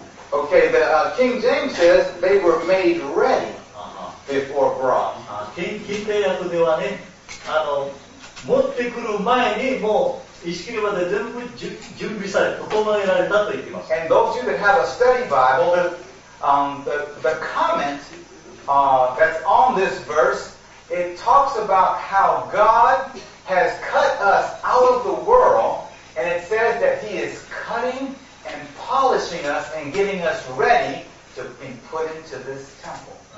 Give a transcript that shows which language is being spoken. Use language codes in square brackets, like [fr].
[en] Okay, the King James says they were made ready before brought. [ja] King 契約ではね、持ってくる前にもう石切りまで全部準備され、整えられたと言っています。 [en] And those of you that have a study Bible, the comment that's on this verse, it talks about how God has cut us out of the world, and it says that He is cutting and polishing us and getting us ready to be put into this temple.